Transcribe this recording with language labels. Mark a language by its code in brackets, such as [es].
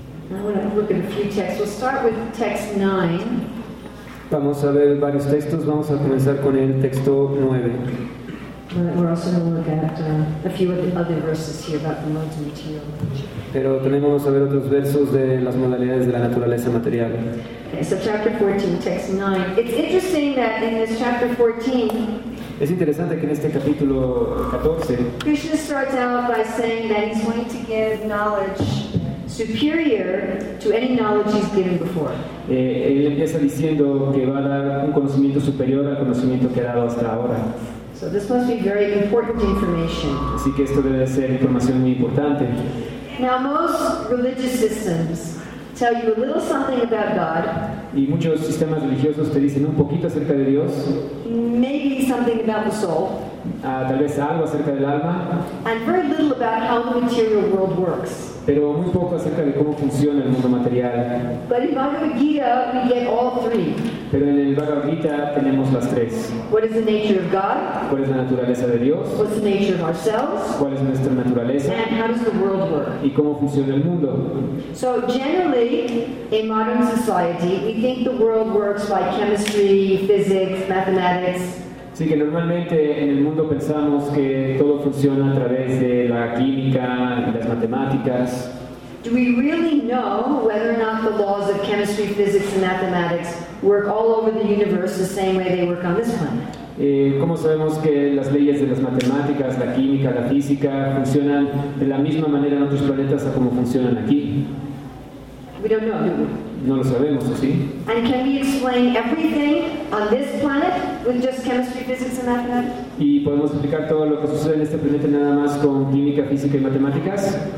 [en] I'm going to look at a few texts. We'll start with text 9. [es] Vamos a ver varios textos. Vamos a comenzar con el texto 9. [en] We're also going to look at a few of the other verses here about the modes of material. [es] Pero también vamos a ver otros versos de las modalidades de la naturaleza material. [en] Okay, so chapter 14, text 9. It's interesting that in this chapter 14, [es] es interesante que en este capítulo 14, [en] Krishna starts out by saying that he's going to give knowledge superior to any knowledge he's given before. [es] Él empieza diciendo que va a dar un conocimiento superior al conocimiento que ha dado hasta ahora. [en] So this must be very important information. [es] Así que esto debe ser información muy importante. [en] Now most religious systems tell you a little something about God. [es] Y muchos sistemas religiosos te dicen un poquito acerca de Dios. [en] Maybe something about the soul. [es] Tal vez algo acerca del alma. [en] And very little about how the material world works. [es] Pero muy poco acerca de cómo funciona el mundo material. [en] But in Bhagavad Gita, we get all three. [es] Pero en el Bhagavad Gita tenemos las tres. [en] What is the nature of God? [es] ¿Cuál es la naturaleza de Dios? [en] What's the nature of ourselves? [es] ¿Cuál es nuestra naturaleza? [en] And how does the world work? [es] ¿Y cómo funciona el mundo? [en] So generally, in modern society, we think the world works by chemistry, physics, mathematics. [es] Así que normalmente en el mundo pensamos que todo funciona a través de la química y las matemáticas. [en] Do we really know whether or not the laws of chemistry, physics, and mathematics work all over the universe the same way they work on this planet? [es] ¿Cómo sabemos que las leyes de las matemáticas, la química, la física funcionan de la misma manera en otros planetas a como funcionan aquí? [en] We don't know, do we? [es] No lo sabemos, ¿sí? [en] And can we explain everything on this planet with just chemistry, physics, and mathematics? [es] ¿Y podemos explicar todo lo que sucede en este planeta nada más con química, física y matemáticas?